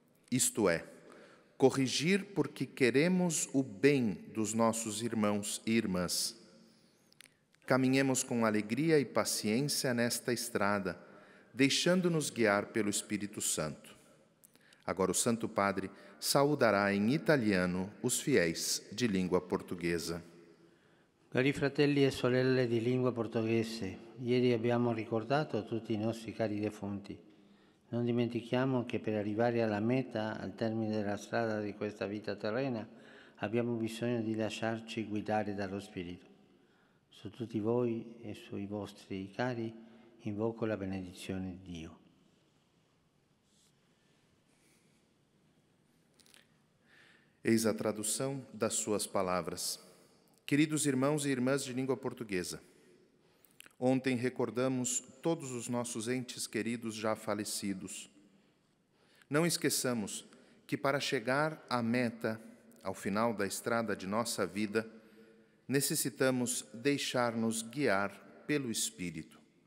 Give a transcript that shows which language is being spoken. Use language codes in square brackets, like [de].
[pt] Isto é, corrigir porque queremos o bem dos nossos irmãos e irmãs. Caminhemos com alegria e paciência nesta estrada, deixando-nos guiar pelo Espírito Santo. Agora o Santo Padre saudará em italiano os fiéis de língua portuguesa. [it] Cari fratelli e sorelle di lingua portoghese, ieri abbiamo ricordato tutti i nostri cari defunti. Non dimentichiamo che per arrivare alla meta, al termine della strada di questa vita terrena, abbiamo bisogno di lasciarci guidare dallo Spirito. Su tutti voi e sui vostri cari invoco la benedizione di Dio. [pt] Eis a tradução das suas palavras. Queridos irmãos e irmãs de língua portuguesa, ontem recordamos todos os nossos entes queridos já falecidos. Não esqueçamos que para chegar à meta, ao final da estrada de nossa vida, necessitamos deixar-nos guiar pelo Espírito.